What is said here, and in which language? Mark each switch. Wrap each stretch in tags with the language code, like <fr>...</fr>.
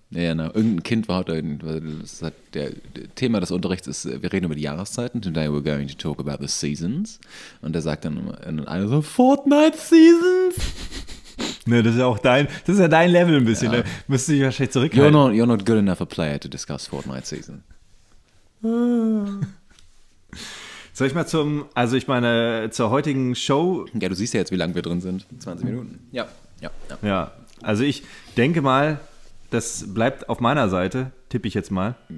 <de>Ja, na, irgendein Kind war heute, der Thema des Unterrichts ist, wir reden über die Jahreszeiten.</de> <en>Today we're going to talk about the seasons.</en> <de>Und er sagt dann einer so, Fortnite Seasons. Ne, das ist ja auch dein, das ist ja dein Level ein bisschen. Ja. Da müsstest du dich wahrscheinlich zurückhalten.</de> <en>You're not good enough a player to discuss Fortnite Season.</en> <de>Soll ich mal zum, also ich meine, zur heutigen Show. Ja, du siehst ja jetzt, wie lange wir drin sind. 20 Minuten. Ja, ja, ja. Ja, also ich denke mal, das bleibt auf meiner Seite, tippe ich jetzt mal.</de>